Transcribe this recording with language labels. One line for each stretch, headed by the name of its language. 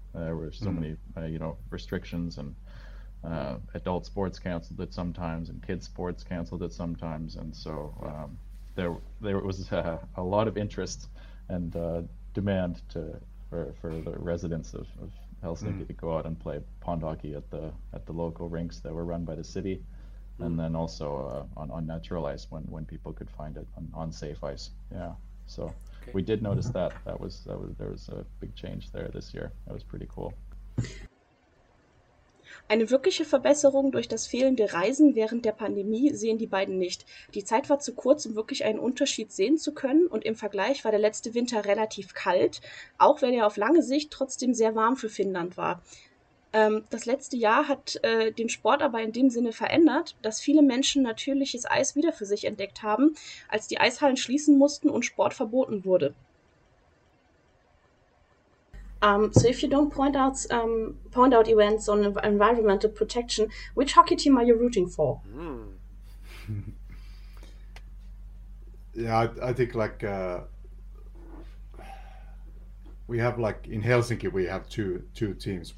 English: There were so many restrictions, and adult sports canceled it sometimes, and kids sports canceled it sometimes, and so there was a lot of interest and demand for the residents of Helsinki to go out and play pond hockey at the local rinks that were run by the city, and then also on natural ice when people could find it on safe ice. Yeah, so okay. We did notice that was there was a big change there this year. That was pretty cool.
German: Eine wirkliche Verbesserung durch das fehlende Reisen während der Pandemie sehen die beiden nicht. Die Zeit war zu kurz, um wirklich einen Unterschied sehen zu können, und im Vergleich war der letzte Winter relativ kalt, auch wenn er auf lange Sicht trotzdem sehr warm für Finnland war. Das letzte Jahr hat den Sport aber in dem Sinne verändert, dass viele Menschen natürliches Eis wieder für sich entdeckt haben, als die Eishallen schließen mussten und Sport verboten wurde.
English: So if you don't point out events on environmental protection, which hockey team are you rooting for? Yeah, I think like we have like in Helsinki we have two teams.